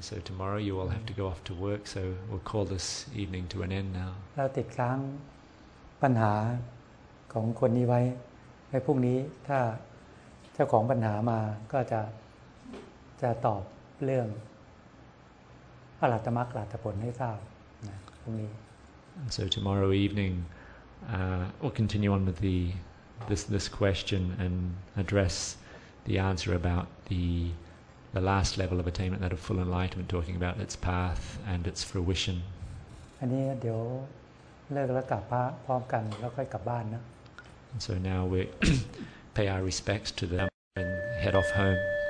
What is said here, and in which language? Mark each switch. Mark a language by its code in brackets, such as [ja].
[en] so tomorrow you all have to go off to work. So we'll call this evening to an end now. [th] เราติดค้างปัญหาของคนนี้ไว้ให้พรุ่งนี้ถ้าเจ้าของปัญหามาก็จะตอบเรื่องอรหัตมรรคอรหัตผลให้ทราบนะพรุ่งนี้ [en] So tomorrow evening we'll continue on with this question and address the answer about the last level of attainment, that of full enlightenment, talking about its path and its fruition. [th] อันนี้เดี๋ยวเลิกแล้วกลับพระพร้อมกันแล้วค่อยกลับบ้านนะ [en] And so now we pay our respects to them and head off home.